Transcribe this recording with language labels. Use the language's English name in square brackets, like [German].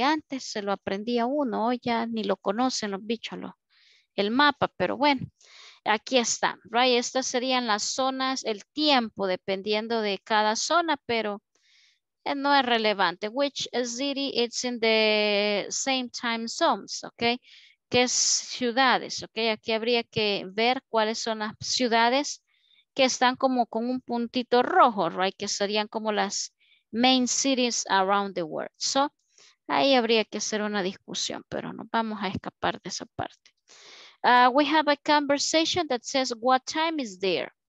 [Spanish] Antes se lo aprendía uno, hoy ya ni lo conocen los bichos, el mapa, pero bueno, aquí está, right? Estas serían las zonas, el tiempo, dependiendo de cada zona, pero no es relevante. [English] Which city is in the same time zones, ok? [Spanish] ¿Qué ciudades, ok? Aquí habría que ver cuáles son las ciudades que están como con un puntito rojo, right? Que serían como las [English] main cities around the world. [Spanish] So, ahí habría que hacer una discusión, pero nos vamos a escapar de esa parte. [English] We have a conversation that says, what time is there?